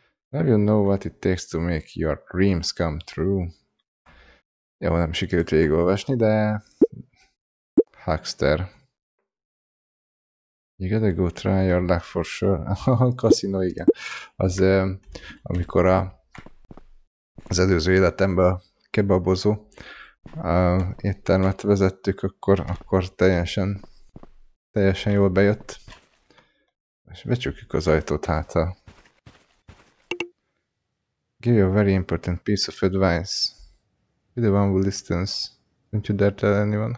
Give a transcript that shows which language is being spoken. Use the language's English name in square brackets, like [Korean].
[English] Have you know what it takes to make your dreams come true? [Hungarian] Jó, nem sikerült végigolvasni, de... [English] Huckster. You gotta go try your luck for sure. [Hungarian] A kaszinó, igen. Az, amikor az előző életemben a kebabozó éttermet vezettük, akkor teljesen jól bejött. És becsukjuk az ajtót hátra. [English] Give you a very important piece of advice. You the one who listens. Don't you dare tell anyone.